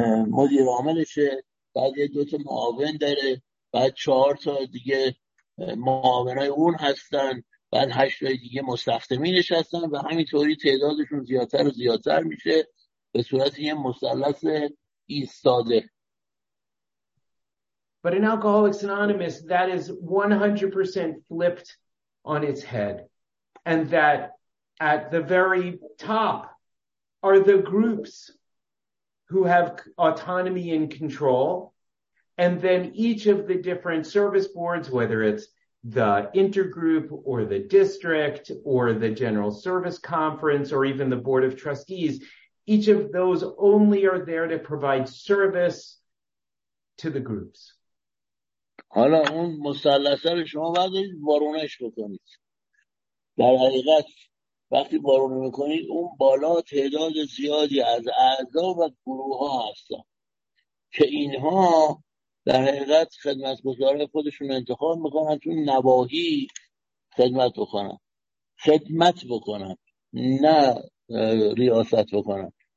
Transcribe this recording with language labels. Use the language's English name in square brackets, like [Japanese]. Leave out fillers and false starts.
[Persian] مدیر عاملشه، بعد یه دوتا معاون داره، بعد چهار تا دیگه معاونای اون هستن، بعد هشت تا دیگه مستخدمینش هستن و همینطوری تعدادشون زیادتر و زیادتر میشه به صورت یه مثلث ایستاده. [English] But in Alcoholics Anonymous, that is 100% flipped on its head, and that at the very top are the groups who have autonomy and control. And then each of the different service boards, whether it's the intergroup or the district or the general service conference or even the board of trustees, each of those only are there to provide service to the groups. [Persian] حالا اون مثلثه رو شما بذارید وارونش بکنید. در حقیقت وقتی وارونه میکنید اون بالا تعداد زیادی از اعضا و گروه ها هستن که اینها در حقیقت خدمتگزاره خودشون انتخاب میکنن تو نواحی خدمت بکنن نه ریاست بکنن.